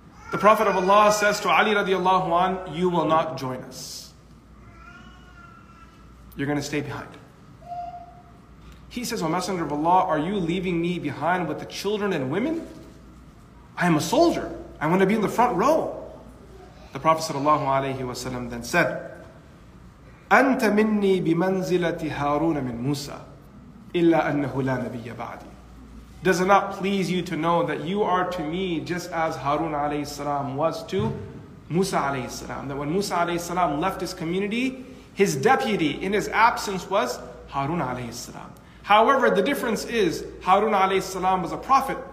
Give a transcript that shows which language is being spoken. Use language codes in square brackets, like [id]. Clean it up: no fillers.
[en] The Prophet of Allah says to Ali radiallahu anhu, "You will not join us. You're going to stay behind." He says, "O Messenger of Allah, are you leaving me behind with the children and women? I am a soldier. I want to be in the front row." The Prophet sallallahu alayhi wa sallam then said, [ar] "أنت مني بمنزلة هارون من موسى إلا أنه لا نبي بعدي." [en] Does it not please you to know that you are to me just as Harun alayhi salam was to Musa alayhi salam? That when Musa alayhi salam left his community, his deputy in his absence was Harun alayhi salam. However, the difference is Harun alayhi salam was a prophet.